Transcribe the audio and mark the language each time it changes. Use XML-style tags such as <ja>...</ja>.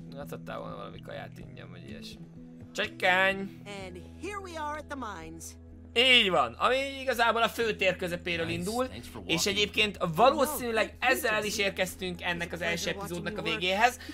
<hu>Na, tettál volna valami kaját ingyen, vagy ilyesmi. Csekkány!</hu> <en>And here we are at the mines.</en> <hu>Így van, ami igazából a főtér közepéről indul, és egyébként valószínűleg ezzel is érkeztünk ennek az első epizódnak a végéhez.</hu>